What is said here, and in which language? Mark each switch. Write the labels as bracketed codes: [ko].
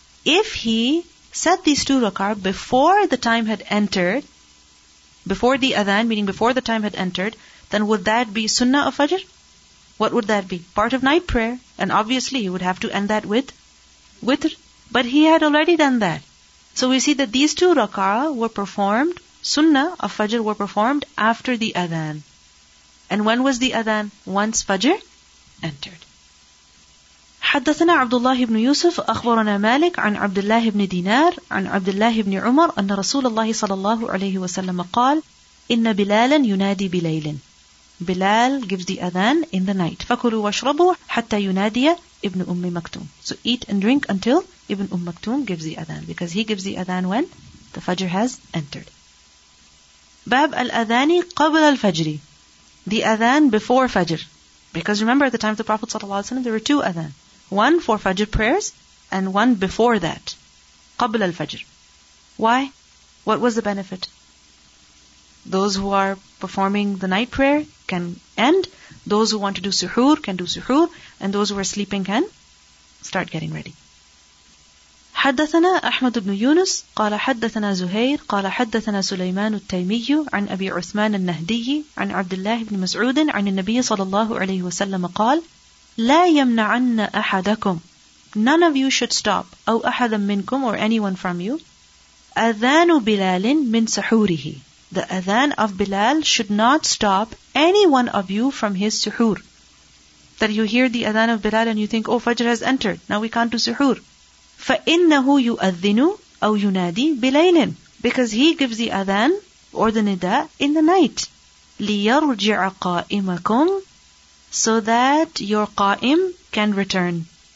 [en] If he said these 2 rak'ah before the time had entered, before the adhan, meaning before the time had entered, then would that be sunnah of Fajr? What would that be? Part of night prayer. And obviously he would have to end that with witr. But he had already done that. So we see that these 2 rak'ah were performed, sunnah of Fajr were performed after the adhan. And when was the adhan? Once Fajr entered. [ar] حدثنا عبد الله بن يوسف أخبرنا مالك عن عبد الله بن دينار عن عبد الله بن عمر أن رسول الله صلى الله عليه وسلم قال إن بلالا ينادي بليل. [en] Bilal gives the adhan in the night. [ar] فكلوا واشربوا حتى ينادي ابن أم مكتوم. [en] So eat and drink until ابن أم مكتوم gives the adhan, because he gives the adhan when the Fajr has entered. [ar] باب الأذان قبل الفجر. [en] The adhan before Fajr. Because remember, at the time of the Prophet ﷺ, there were 2 adhan. One for Fajr prayers, and one before that. [ar] قبل الفجر. [en] Why? What was the benefit? Those who are performing the night prayer can end. Those who want to do suhoor can do suhoor. And those who are sleeping can start getting ready. [ar] حدثنا أحمد بن يونس قال حدثنا زهير قال حدثنا سليمان التيمي عن أبي عثمان النهدي عن عبد الله بن مسعود عن النبي صلى الله عليه وسلم قال لا يمنعن أحدكم [en] None of you should stop [ar] أو أحدا منكم [en] or anyone from you [ar] أذان بلال من سحوره [en] The adhan of Bilal should not stop any one of you from his suhoor. That you hear the adhan of Bilal and you think, oh, Fajr has entered. Now we can't do suhoor. [ar] فَإِنَّهُ يُؤَذِّنُ أَوْ يُنَادِي بِلَيْلٍ [en] Because he gives the adhan or the nida in the night. [ar] لِيَرْجِعَ قَائِمَكُمْ [en] So that your qa'im can return.